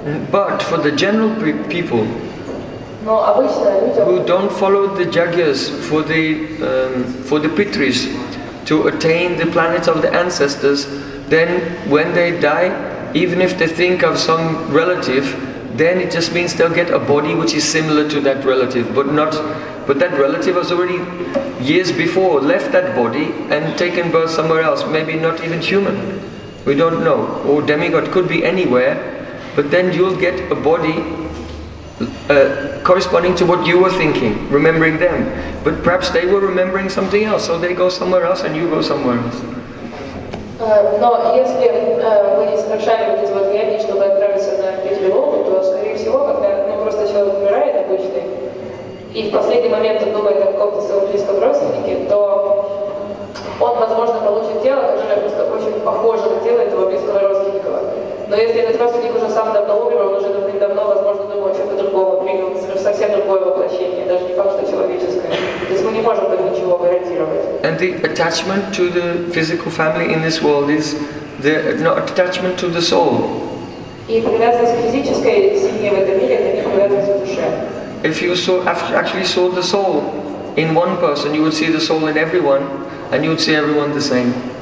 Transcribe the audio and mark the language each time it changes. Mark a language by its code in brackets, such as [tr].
[en] But for the general people who don't follow the yagyas for the pitris to attain the planets of the ancestors, then when they die, even if they think of some relative, then it just means they'll get a body which is similar to that relative, but not, but that relative has already years before left that body and taken birth somewhere else, maybe not even human, we don't know, or demigod, could be anywhere, but then you'll get a body corresponding to what you were thinking, remembering them, but perhaps they were remembering something else, so they go somewhere else and you go somewhere else. [ru] Но если мы не совершаем вот эти вот яги, чтобы отправиться на Петрилок, то, скорее всего, когда ну, просто человек умирает обычный, и в последний момент он думает о каком-то своем близком родственнике, то он, возможно, получит тело, которое просто очень похоже на тело этого близкого родственника. Но если этот родственник уже сам давно умер, он уже давным-давно, возможно, думал о чем-то другом, принял совсем другое воплощение, даже не факт, что человеческое. То есть мы не можем так ничего гарантировать. [en] And the attachment to the physical family in this world is the not attachment to the soul. If you actually saw the soul in one person, you would see the soul in everyone, and you would see everyone the same.